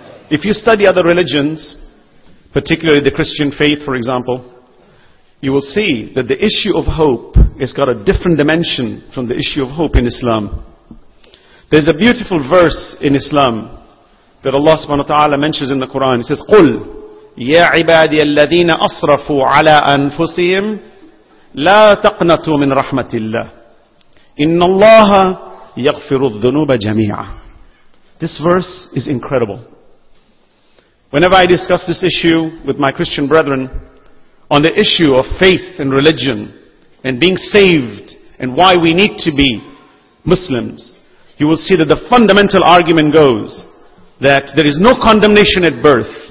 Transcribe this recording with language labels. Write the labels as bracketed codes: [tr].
[en] If you study other religions, particularly the Christian faith, for example, you will see that the issue of hope has got a different dimension from the issue of hope in Islam. There's a beautiful verse in Islam that Allah subhanahu wa ta'ala mentions in the Quran. He says, [ar] قُلْ يَا عِبَادِيَ الَّذِينَ أَصْرَفُوا عَلَىٰ أَنفُسِهِمْ لَا تَقْنَتُوا مِنْ رَحْمَةِ اللَّهِ إِنَّ اللَّهَ يَغْفِرُ الذُّنُوبَ جَمِيعًا. [en] This verse is incredible. Whenever I discuss this issue with my Christian brethren on the issue of faith and religion and being saved and why we need to be Muslims, you will see that the fundamental argument goes that there is no condemnation at birth.